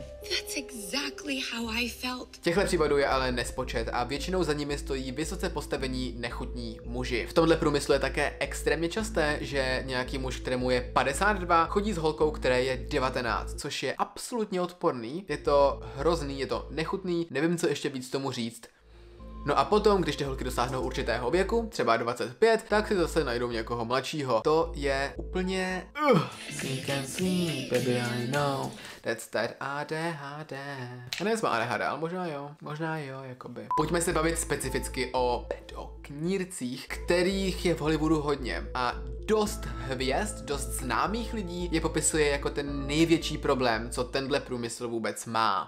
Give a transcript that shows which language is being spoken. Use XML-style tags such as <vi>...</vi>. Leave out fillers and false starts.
<en>That's exactly how I felt.</en> <cs>Těchhle případů je ale nespočet a většinou za nimi stojí vysoce postavení nechutní muži. V tomhle průmyslu je také extrémně časté, že nějaký muž, kterému je 52, chodí s holkou, které je 19, což je absolutně odporný, je to hrozný, je to nechutný, nevím, co ještě víc tomu říct. No a potom, když ty holky dosáhnou určitého věku, třeba 25, tak si zase najdou někoho mladšího. To je úplně...</cs> <en>Sneak and sneak, baby, I know. That's that ADHD.</en> <cs>A nevím, jestli má ADHD, ale možná jo, jakoby. Pojďme se bavit specificky o pedoknírcích, kterých je v Hollywoodu hodně. A dost hvězd, dost známých lidí je popisuje jako ten největší problém, co tenhle průmysl vůbec má.</cs>